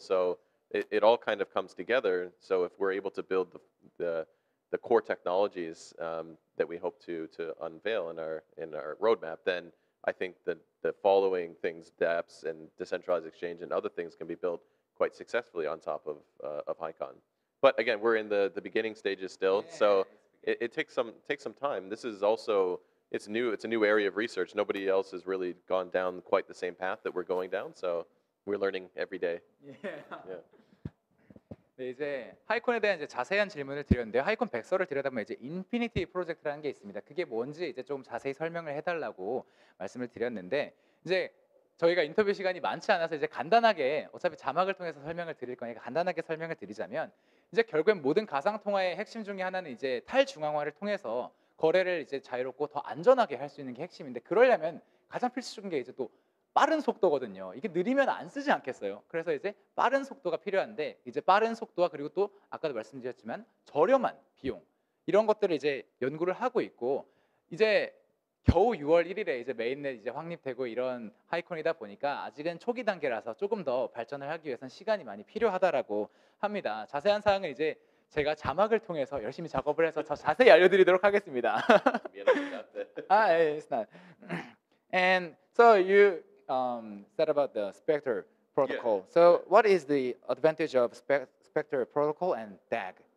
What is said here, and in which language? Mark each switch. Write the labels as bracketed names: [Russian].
[English] So it all kind of comes together. So if we're able to build the core technologies that we hope to unveil in our roadmap, then I think that the following things, dApps and decentralized exchange and other things, can be built quite successfully on top of HiCon. But again, we're in the beginning stages still, yeah. So it takes some time. This is also, it's new, it's a new area of research. Nobody else has really gone down quite the same path that we're going down, so we're learning every day. Yeah. [Korean] 네, 이제 하이콘에 대한 이제 자세한 질문을 드렸는데 하이콘 백서를 들여다보면 이제 인피니티 프로젝트라는 게 있습니다. 그게 뭔지 이제 좀 자세히 설명을 해달라고 말씀을 드렸는데 이제 저희가 인터뷰 시간이 많지 않아서 이제 간단하게 어차피 자막을 통해서 설명을 드릴 거니까 간단하게 설명을 드리자면 이제 결국엔 모든 가상 통화의 핵심 중에 하나는 이제 탈중앙화를 통해서 거래를 이제 자유롭고 더 안전하게 할 수 있는 게 핵심인데 그러려면 가장 필수적인 게 이제 또 빠른 속도거든요. 이게 느리면 안 쓰지 않겠어요. 그래서 이제 빠른 속도가 필요한데 이제 빠른 속도와 그리고 또 아까도 말씀드렸지만 저렴한 비용 이런 것들을 이제 연구를 하고 있고 이제 겨우 6월 1일에 이제 메인넷 이제 확립되고 이런 하이콘이다 보니까 아직은 초기 단계라서 조금 더 발전을 하기 위해서는 시간이 많이 필요하다라고 합니다. 자세한 사항은 이제 제가 자막을 통해서 열심히 작업을 해서 더 자세히 알려드리도록 하겠습니다. 미안합니다. [English] 아, it's not. And so you said about the Spectre protocol. Yeah. So what is the advantage of Spectre protocol and DAG?